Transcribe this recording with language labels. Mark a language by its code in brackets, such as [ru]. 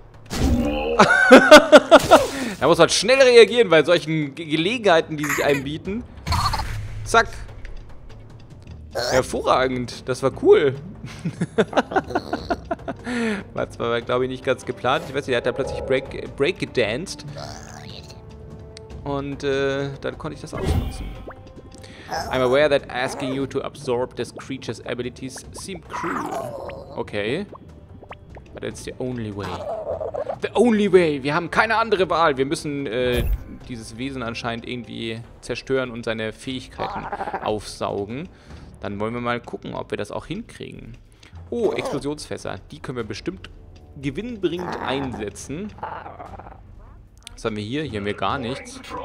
[de] Da muss man schnell reagieren bei solchen Gelegenheiten, die sich einbieten. Zack. Hervorragend. Das war cool. Das war, glaube ich, nicht ganz geplant. Ich weiß nicht, der hat da plötzlich Break gedanced. Und dann konnte ich das ausnutzen. [en] I'm aware that asking you to absorb this creature's abilities seem cruel. Okay. But it's the only way. The only way! [de] Wir haben keine andere Wahl. Wir müssen dieses Wesen anscheinend irgendwie zerstören und seine Fähigkeiten aufsaugen. Dann wollen wir mal gucken, ob wir das auch hinkriegen. Oh, Explosionsfässer. Die können wir bestimmt gewinnbringend einsetzen. Was haben wir hier? Hier haben wir gar nichts.